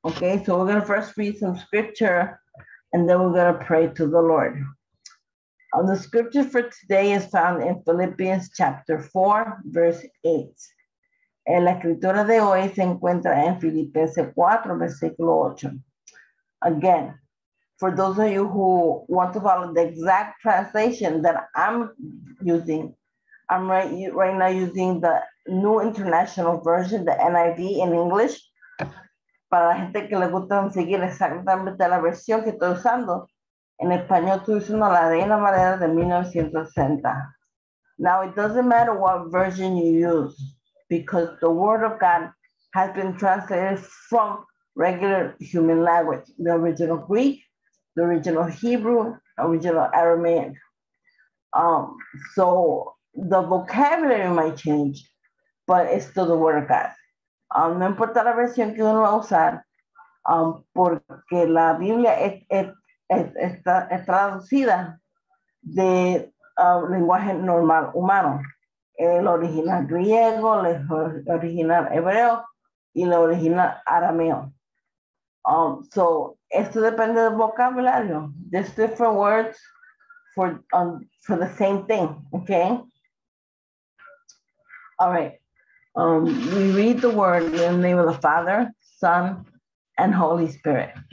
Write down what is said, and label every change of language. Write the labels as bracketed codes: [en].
[en] Okay, so we're going to first read some scripture and then we're going to pray to the Lord. The scripture for today is found in Philippians chapter 4, verse 8. [es] La escritura de hoy se encuentra en Filipenses 4, versículo 8. [en] Again, for those of you who want to follow the exact translation that I'm using, I'm right now using the New International Version, the NIV in English. [es] Para la gente que le gusta seguir exactamente la versión que estoy usando, en español estoy usando la Reina Valera de 1960. [en] Now, it doesn't matter what version you use, because the word of God has been translated from regular human language, the original Greek, the original Hebrew, original Aramaic. So the vocabulary might change, but it's still the word of God. [es] No importa la versión que uno va a usar, porque la Biblia es traducida de lenguaje normal humano. El original griego, el original hebreo y el original arameo. So, esto depende del vocabulario. [en] There's different words for the same thing, okay? All right. We read the word in the name of the Father, Son, and Holy Spirit.